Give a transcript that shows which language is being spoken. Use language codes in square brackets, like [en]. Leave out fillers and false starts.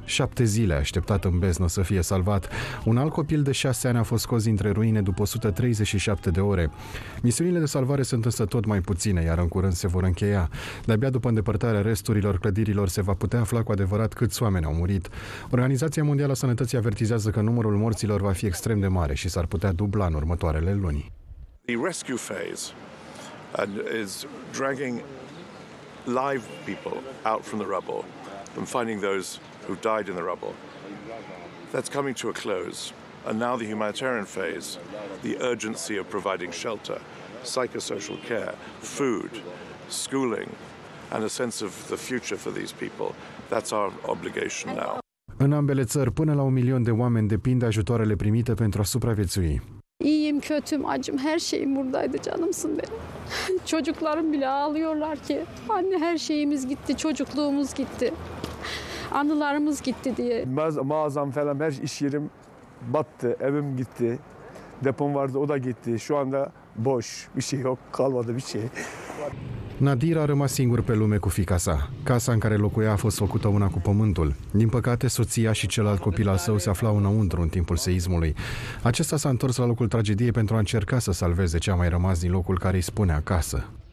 [ro] 7 zile a așteptat în beznă să fie salvat. Un alt copil de 6 ani a fost scos dintre ruine după 137 de ore. Misiunile de salvare sunt însă tot mai puține, iar în curând se vor încheia. De-abia după îndepărtarea resturilor clădirilor se va putea afla cu adevărat câți oameni au murit. Organizația Mondială a Sănătății avertizează că numărul morților va fi extrem de mare și s-ar putea dubla în următoarele luni. [en] The rescue phase and is dragging live people out from the rubble and finding those who died in the rubble. That's coming to a close. And now the humanitarian phase, the urgency of providing shelter, psychosocial care, food, schooling, and a sense of the future for these people. That's our obligation now. [ro] În ambele țări, până la 1 milion de oameni depind de ajutoarele primite pentru a supraviețui. [tr] İyiyim, kötüm, acım, her şeyim buradaydı, canımsın benim. Çocuklarım bile ağlıyorlar ki, anne her şeyimiz gitti, çocukluğumuz gitti, anılarımız gitti diye. Mağazam falan, her iş yerim battı, evim gitti, depom vardı, o da gitti. Şu anda boş, bir şey yok, kalmadı bir şey. [ro] Nadir a rămas singur pe lume cu fiica sa. Casa în care locuia a fost făcută una cu pământul. Din păcate, soția și celălalt copil al său se aflau înăuntru în timpul seismului. Acesta s-a întors la locul tragediei pentru a încerca să salveze ce a mai rămas din locul care îi spune acasă.